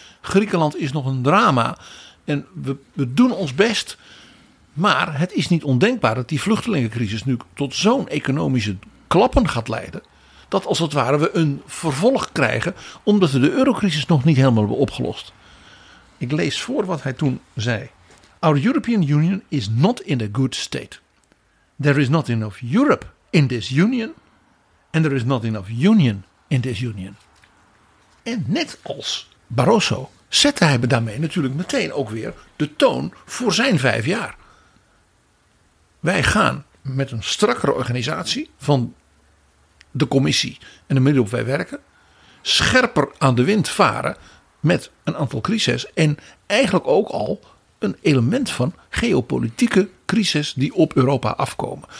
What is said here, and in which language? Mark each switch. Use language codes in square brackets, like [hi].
[nl] Griekenland is nog een drama en we doen ons best. Maar het is niet ondenkbaar dat die vluchtelingencrisis nu tot zo'n economische klappen gaat leiden. Dat als het ware we een vervolg krijgen omdat we de eurocrisis nog niet helemaal hebben opgelost. Ik lees voor wat hij toen zei. [en] Our European Union is not in a good state. There is not enough Europe in this union. And there is not enough union in this union. [nl] En net als Barroso zette hij daarmee natuurlijk meteen ook weer de toon voor zijn 5 jaar. Wij gaan met een strakkere organisatie van de commissie en de manier waarop wij werken, scherper aan de wind varen met een aantal crises en eigenlijk ook al een element van geopolitieke crises die op Europa afkomen.